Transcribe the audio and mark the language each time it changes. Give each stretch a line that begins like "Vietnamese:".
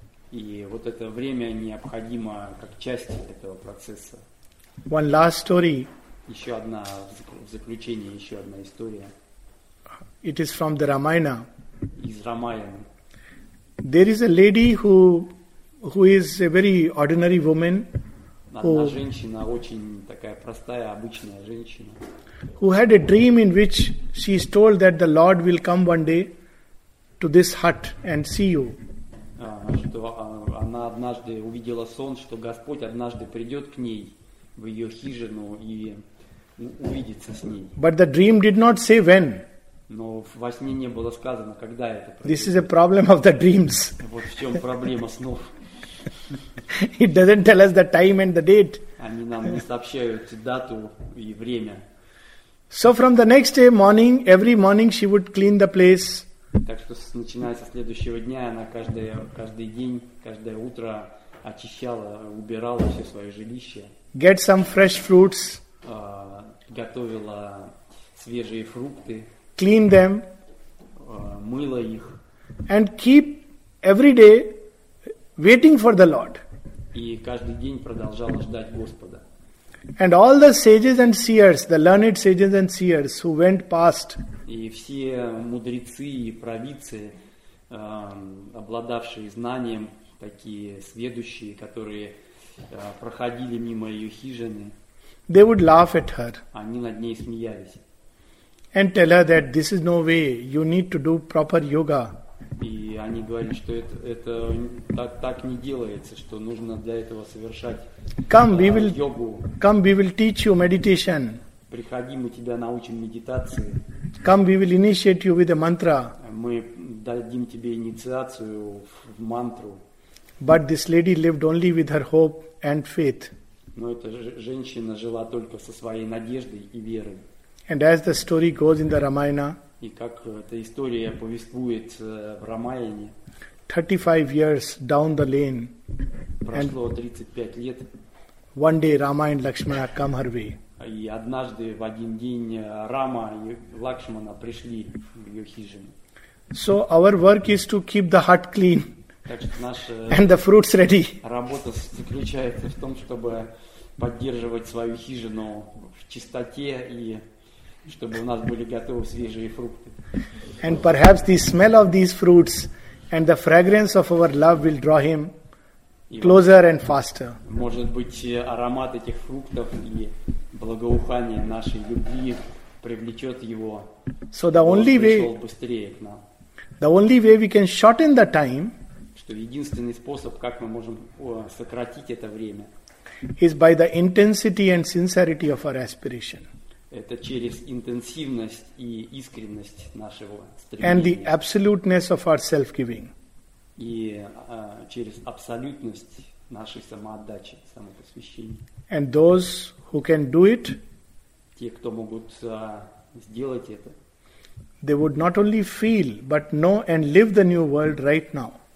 Russian: И вот это время необходимо как часть этого процесса.
English: One last story.
Russian: Еще одна в заключение, еще одна история.
English: It is from the Ramayana.
Russian: Из Рамаяны.
English: There is a lady who is a very ordinary woman.
Russian: Одна женщина, очень такая простая, обычная женщина.
English: Who had a dream in which she is told that the Lord will come one day to this hut and see you.
Russian: Что она однажды увидела сон, что Господь однажды придет к ней в ее хижину и увидится с ней.
English: But the dream did not say when.
Russian: Но во сне не было сказано, когда это произойдет.
English: This is a problem of the dreams.
Russian: Вот в чем проблема снов.
English: It doesn't tell us the time and the date.
Russian: Они нам не сообщают дату и время.
English: So from the next day morning, every morning she would clean the place.
Russian: Так что начиная со следующего дня, она каждый день, каждое утро очищала, убирала все свое жилище.
English: Get some fresh fruits.
Russian: Готовила свежие фрукты.
English: Clean them.
Russian: Мыла их.
English: And keep every day waiting for the Lord.
Russian: И каждый день продолжала ждать Господа.
English: And all the sages and seers, the learned sages and seers who went past.
Russian: И все мудрецы и провидцы, обладавшие знанием, такие сведущие, которые проходили мимо ее хижины.
English: They would laugh at her.
Russian: Они над ней смеялись.
English: And tell her that this is no way. You need to do proper yoga.
Russian: И они говорили, что это так не делается, что нужно для этого совершать йогу.
English: Come, we will teach you meditation.
Russian: Приходи, мы тебя научим медитации.
English: Come, we will initiate you with a mantra.
Russian: Мы дадим тебе инициацию в мантру.
English: But this lady lived only with her hope and faith.
Russian: Но эта женщина жила только со своей надеждой и верой.
English: And as the story goes in the Ramayana,
Russian: и как эта история повествует в Рамаяне,
English: 35 years down the lane,
Russian: прошло 35 лет,
English: one day Rama and Lakshmana come her way.
Russian: И однажды в один день Рама и Лакшмана пришли в ее хижину.
English: So our work is to keep the hut clean.
Russian: Так что наша
English: and the fruits ready.
Russian: Работа заключается в том, чтобы поддерживать свою хижину в чистоте и чтобы у нас были готовы свежие фрукты.
English: And perhaps the smell of these fruits and the fragrance of our love will draw him closer and faster.
Russian: Может быть, аромат этих фруктов и благоухание нашей любви привлечет его.
English: So the only way,
Russian: быстрее к нам.
English: The only way we can shorten the time,
Russian: что единственный способ, как мы можем сократить это время,
English: is by the intensity and sincerity of our aspiration.
Russian: Это через интенсивность и искренность нашего стремления.
English: And the absoluteness of our self-giving.
Russian: И через абсолютность нашей самоотдачи, самопосвящения.
English: And those who can do it,
Russian: те, кто могут сделать это,
English: they would not only feel, but know and live the new world right now.